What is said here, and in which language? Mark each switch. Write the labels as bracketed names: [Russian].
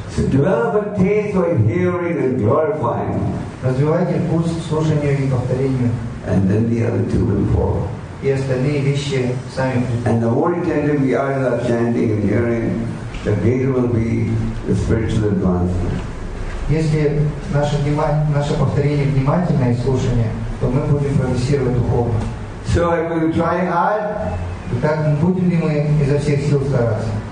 [English] So develop a taste for hearing and glorifying. [Russian] Развивайте вкус к слушанию и повторению. [English] And then the other two will follow. [Russian] И остальные вещи сами. [English] And the more attentive we are to chanting and hearing, the greater will be the spiritual advancement. [Russian] Если наше повторение внимательное и слушание, то мы будем прогрессировать духовно. [English] So are we trying hard? [Russian] Так будем ли мы изо всех сил стараться?